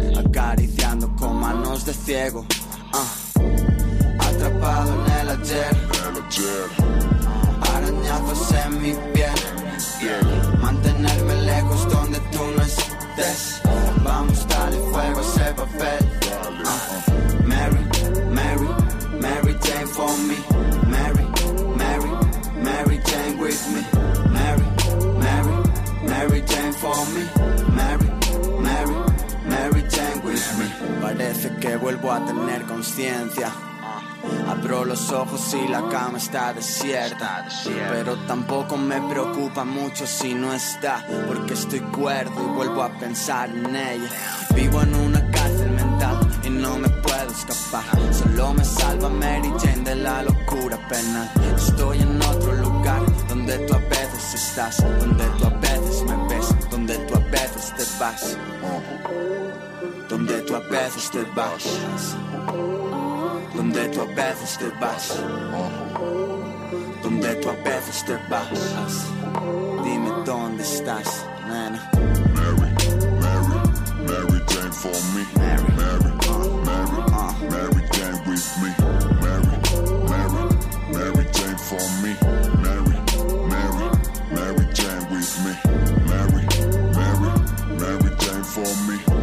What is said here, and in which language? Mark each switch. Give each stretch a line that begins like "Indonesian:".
Spanish: Acariciando con manos de ciego. Atrapado en el ayer, arañazos en mi piel, mantenerme lejos donde tú no estés. Vamos, dale fuego a ese papel.
English: Mary, Mary, Mary Jane for me. Mary, Mary, Mary Jane with me. Mary, Mary, Mary Jane for me. Mary, Mary, Mary Jane with me.
Spanish: Parece que vuelvo a tener conciencia. Abro los ojos y la cama está desierta. Pero tampoco me preocupa mucho si no está, porque estoy cuerdo y vuelvo a pensar en ella. Vivo en una cárcel mental y no me puedo escapar. Solo me salva Mary Jane de la locura penal. Estoy en otro lugar donde tú a veces estás, donde tú a veces me ves, donde tú a veces te vas, donde tú a veces te vas, donde tú a veces te vas, donde tú a veces te vas. Dime dónde estás, nena.
English: Mary, Mary, Mary Jane for me. Mary, Mary, Mary, Mary Jane with me. Mary, Mary, Mary Jane for me. Mary, Mary, Mary Jane with me. Mary, Mary, Mary Jane for me.